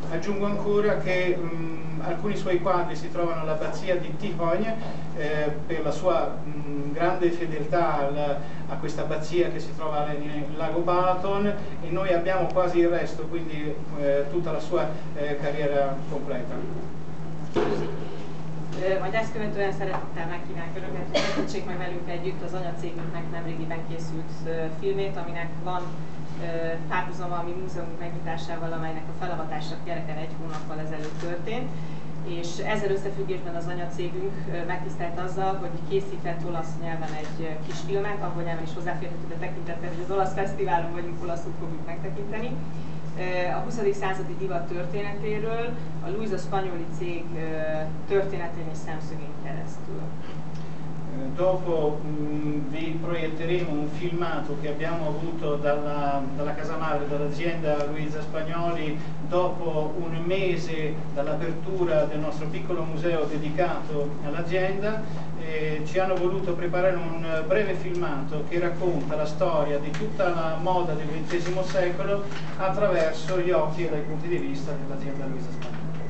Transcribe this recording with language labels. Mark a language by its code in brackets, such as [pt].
[it] Aggiungo ancora che alcuni suoi quadri si trovano all'abbazia di Tichogne, per la sua grande fedeltà a questa abbazia che si trova nel lago Balaton, e noi abbiamo quasi il resto, quindi tutta la sua carriera completa. [hu] Majd ezt követően szeretettel megkívánok Önöket, tessék meg velünk együtt az anyacégünknek nemrégiben készült filmét, aminek van párhuzama a mi múzeumunk megnyitásával, amelynek a felavatása gyereken egy hónappal ezelőtt történt. És ezzel összefüggésben az anyacégünk megtisztelt azzal, hogy készített olasz nyelven egy kis filmet, ahol nyelven is hozzáférhető, de tekintettel, hogy az olasz fesztiválon vagyunk, olaszul fogjuk megtekinteni. A 20. századi divat történetéről, a Luisa Spagnoli cég történetén és szemszögén keresztül. [it] Dopo vi proietteremo un filmato che abbiamo avuto dalla casa madre, dall'azienda Luisa Spagnoli, dopo un mese dall'apertura del nostro piccolo museo dedicato all'azienda. Ci hanno voluto preparare un breve filmato che racconta la storia di tutta la moda del XX secolo attraverso gli occhi e dai punti di vista dell'azienda Luisa Spagnoli.